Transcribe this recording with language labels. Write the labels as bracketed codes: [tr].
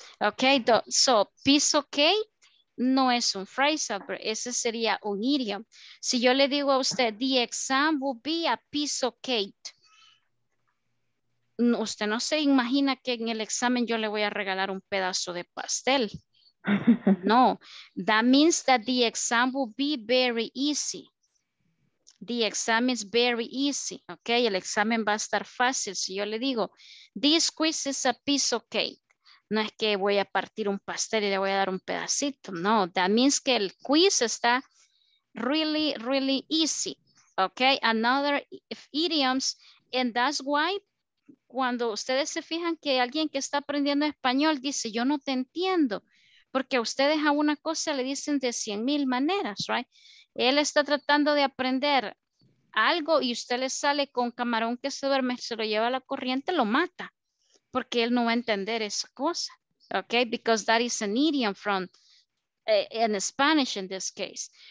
[es] Okay, so piece of cake no es un phrasal, pero ese sería un idiom. Si yo le digo a usted, [en] the exam will be a piece of cake. [es] Usted no se imagina que en el examen yo le voy a regalar un pedazo de pastel. [en] No, that means that the exam will be very easy. The exam is very easy, okay? [es] El examen va a estar fácil. Si yo le digo, [en] this quiz is a piece of cake. [es] No es que voy a partir un pastel y le voy a dar un pedacito. [en] No, that means [es] que el quiz está [en] really, really easy, okay? Another idioms, and that's why [es] cuando ustedes se fijan que alguien que está aprendiendo español dice, yo no te entiendo, porque ustedes a una cosa le dicen de 100,000 maneras, right? Él está tratando de aprender algo y usted le sale con camarón que se duerme, se lo lleva a la corriente, lo mata, porque él no va a entender esa cosa, okay? [en] Because that is an idiom from, in Spanish in this case.